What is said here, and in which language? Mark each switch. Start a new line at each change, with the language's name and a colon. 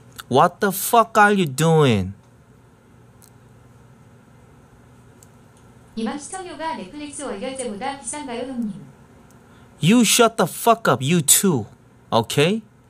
English: What the fuck are you doing?
Korean: 이만 시청료가 넷플릭스 월결제보다 비싼가요, 형님?
English: You shut the fuck up, you too, okay?